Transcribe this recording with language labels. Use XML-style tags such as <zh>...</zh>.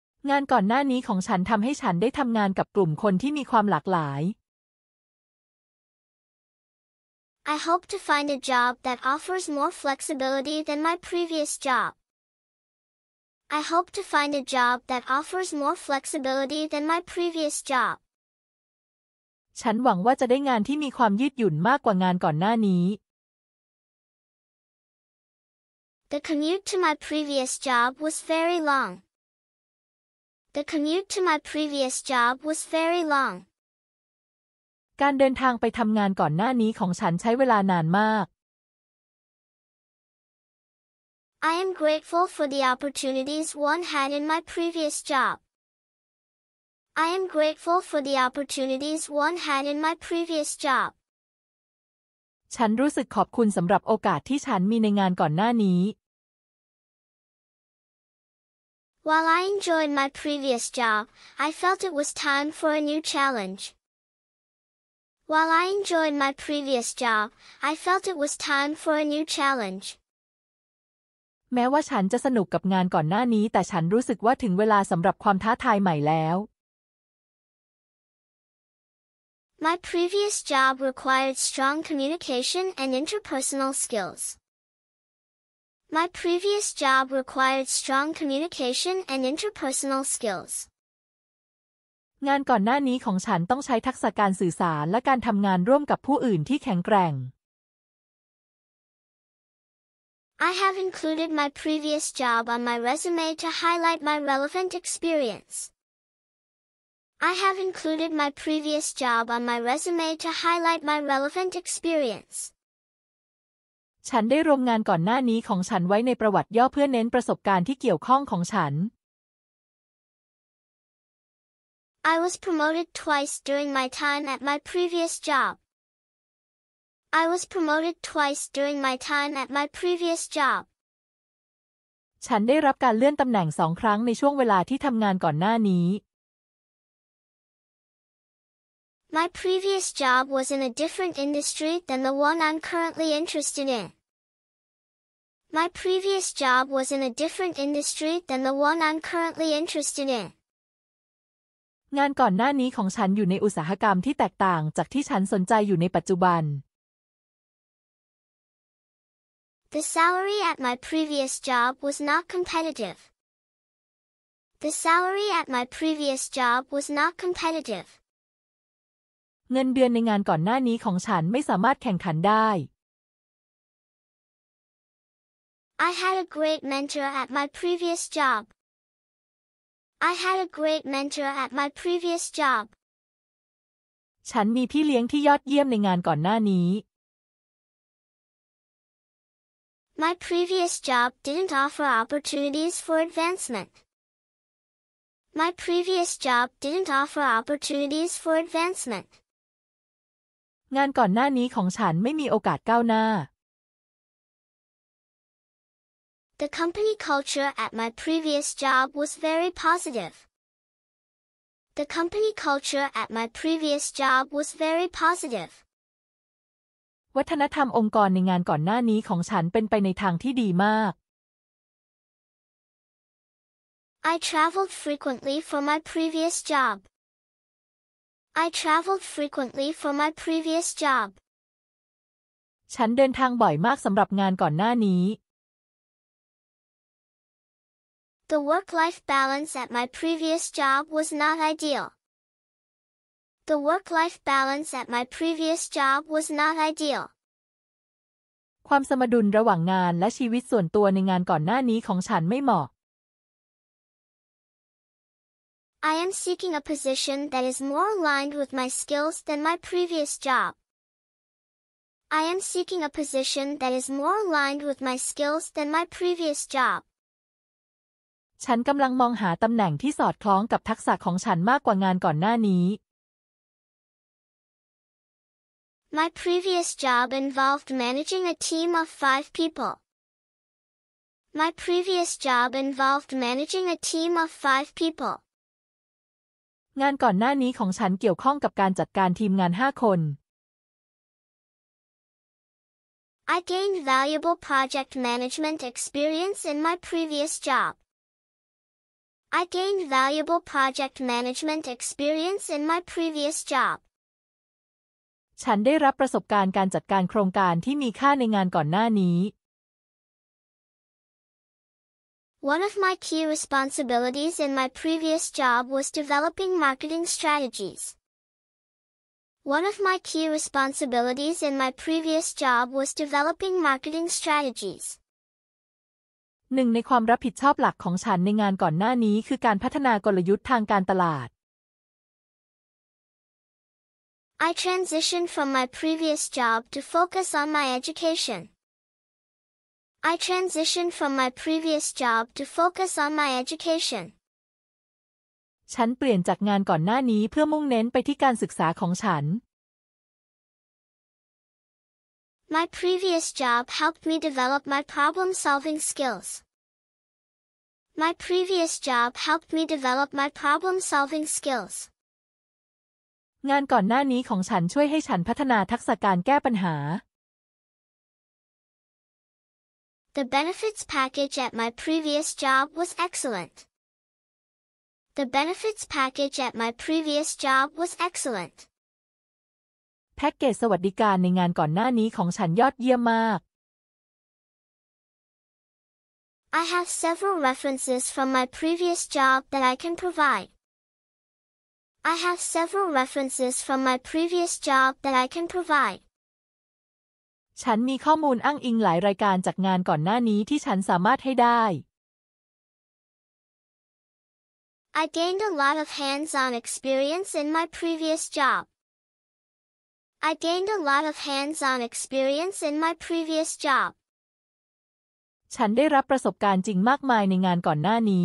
<th>งานก่อนหน้านี้ของฉันทำให้ฉันได้ทำงานกับกลุ่มคนที่มีความหลากหลาย</th> <en>I hope to find a job that offers more flexibility than my previous job. I hope to find a job that offers more flexibility than my previous job.</en> <th>ฉันหวังว่าจะได้งานที่มีความยืดหยุ่นมากกว่างานก่อนหน้านี้</th> <en>The commute to my previous job was very long. The commute to my previous job was very long.</en> <th>การเดินทางไปทำงานก่อนหน้านี้ของฉันใช้เวลานานมาก</th> <en>I am grateful for the opportunities one had in my previous job. I am grateful for the opportunities one had in my previous job.</en> <th>ฉันรู้สึกขอบคุณสำหรับโอกาสที่ฉันมีในงานก่อนหน้านี้</th> <en>While I enjoyed my previous job, I felt it was time for a new challenge. While I enjoyed my previous job, I felt it was time for a new challenge.</en> <th>แม้ว่าฉันจะสนุกกับงานก่อนหน้านี้แต่ฉันรู้สึกว่าถึงเวลาสำหรับความท้าทายใหม่แล้ว</th> <en>My previous job required strong communication and interpersonal skills. My previous job required strong communication and interpersonal skills.</en> <th>งานก่อนหน้านี้ของฉันต้องใช้ทักษะการสื่อสารและการทำงานร่วมกับผู้อื่นที่แข็งแกร่ง</th> <en>I have included my previous job on my resume to highlight my relevant experience. I have included my previous job on my resume to highlight my relevant experience.</en> <th>ฉันได้รวมงานก่อนหน้านี้ของฉันไว้ในประวัติย่อเพื่อเน้นประสบการณ์ที่เกี่ยวข้องของฉัน</th> <en>I was promoted twice during my time at my previous job. I was promoted twice during my time at my previous job.</en> <th>ฉันได้รับการเลื่อนตำแหน่งสองครั้งในช่วงเวลาที่ทำงานก่อนหน้านี้</th> <en>My previous job was in a different industry than the one I'm currently interested in. My previous job was in a different industry than the one I'm currently interested in.</en> <th>งานก่อนหน้านี้ของฉันอยู่ในอุตสาหกรรมที่แตกต่างจากที่ฉันสนใจอยู่ในปัจจุบัน</th> <en>The salary at my previous job was not competitive. The salary at my previous job was not competitive.</en> <th>เงินเดือนในงานก่อนหน้านี้ของฉันไม่สามารถแข่งขันได้</th> <en>I had a great mentor at my previous job. I had a great mentor at my previous job.</en> <th>ฉันมีพี่เลี้ยงที่ยอดเยี่ยมในงานก่อนหน้านี้</th> <en>My previous job didn't offer opportunities for advancement. My previous job didn't offer opportunities for advancement.</en> <th>งานก่อนหน้านี้ของฉันไม่มีโอกาสก้าวหน้า</th> <en>The company culture at my previous job was very positive. The company culture at my previous job was very positive.</en> <th>วัฒนธรรมองค์กรในงานก่อนหน้านี้ของฉันเป็นไปในทางที่ดีมาก</th> <en>I traveled frequently for my previous job. I traveled frequently for my previous job.</en> <th>ฉันเดินทางบ่อยมากสำหรับงานก่อนหน้านี้</th> <en>The work-life balance at my previous job was not ideal. The work-life balance at my previous job was not ideal.</en> <th>ความสมดุลระหว่างงานและชีวิตส่วนตัวในงานก่อนหน้านี้ของฉันไม่เหมาะ</th> <en>I am seeking a position that is more aligned with my skills than my previous job. I am seeking a position that is more aligned with my skills than my previous job.</en> <th>ฉันกำลังมองหาตำแหน่งที่สอดคล้องกับทักษะของฉันมากกว่างานก่อนหน้านี้</th> <en>My previous job involved managing a team of 5 people. My previous job involved managing a team of 5 people.</en> <th>งานก่อนหน้านี้ของฉันเกี่ยวข้องกับการจัดการทีมงาน5คน</th> <en>I gained valuable project management experience in my previous job. I gained valuable project management experience in my previous job.</en> <th>ฉันได้รับประสบการณ์การจัดการโครงการที่มีค่าในงานก่อนหน้านี้</th> <en>One of my key responsibilities in my previous job was developing marketing strategies. One of my key responsibilities in my previous job was developing marketing strategies.</en> <th>หนึ่งในความรับผิดชอบหลักของฉันในงานก่อนหน้านี้คือการพัฒนากลยุทธ์ทางการตลาด</th> <en>I transitioned from my previous job to focus on my education. I transitioned from my previous job to focus on my education.</en> <th>ฉันเปลี่ยนจากงานก่อนหน้านี้เพื่อมุ่งเน้นไปที่การศึกษาของฉัน</th> <en>My previous job helped me develop my problem-solving skills. My previous job helped me develop my problem-solving skills.</en> <th>งานก่อนหน้านี้ของฉันช่วยให้ฉันพัฒนาทักษะการแก้ปัญหา</th> <en>The benefits package at my previous job was excellent. The benefits package at my previous job was excellent.</en> <th>แพ็กเกจสวัสดิการในงานก่อนหน้านี้ของฉันยอดเยี่ยมมาก</th> <en>I have several references from my previous job that I can provide. I have several references from my previous job that I can provide.</en> <th>ฉันมีข้อมูลอ้างอิงหลายรายการจากงานก่อนหน้านี้ที่ฉันสามารถให้ได้</th> <en>I gained a lot of hands-on experience in my previous job. I gained a lot of hands-on experience in my previous job.</en> <th>ฉันได้รับประสบการณ์จริงมากมายในงานก่อนหน้านี</th>